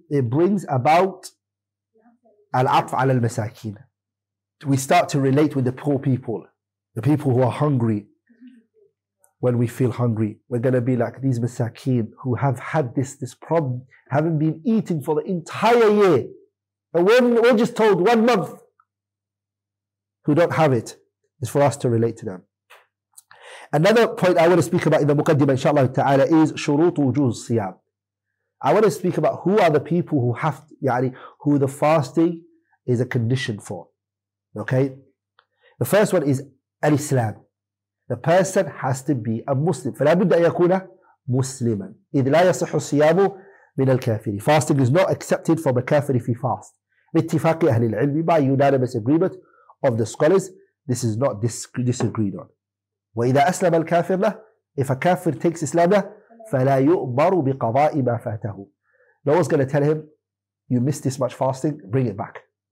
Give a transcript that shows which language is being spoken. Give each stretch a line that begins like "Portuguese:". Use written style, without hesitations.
English: It brings about
Arabic: العطف على المساكين.
English: We start to relate with the poor people, the people who are hungry. When we feel hungry, we're going to be like these masakin who have had this problem, haven't been eating for the entire year. And we're just told 1 month, who don't have it. It's for us to relate to them. Another point I want to speak about in the Muqaddimah, inshaAllah ta'ala, is
Arabic: شروط وجوز الصيام.
English: I want to speak about who are the people who have to, يعني, who the fasting is a condition for. Okay? The first one is al-Islam. The person has to be a Muslim.
Arabic: فلا بد أن يكون مسلما. إذ لا يصح الصيام من الكافر.
English: Fasting is not accepted from a kafir if he fasts.
Arabic: باتفاق أهل العلم,
English: by unanimous agreement of the scholars, this is not disagreed on.
Arabic: وَإِذَا أَسْلَمَ الْكَافِرُ لَهُ,
English: if a kafir takes Islam,
Arabic: فَلَا يُؤْمَرُ بِقَضَاءِ مَا فَاتَهُ.
English: No one's going to tell him, you missed this much fasting, bring it back.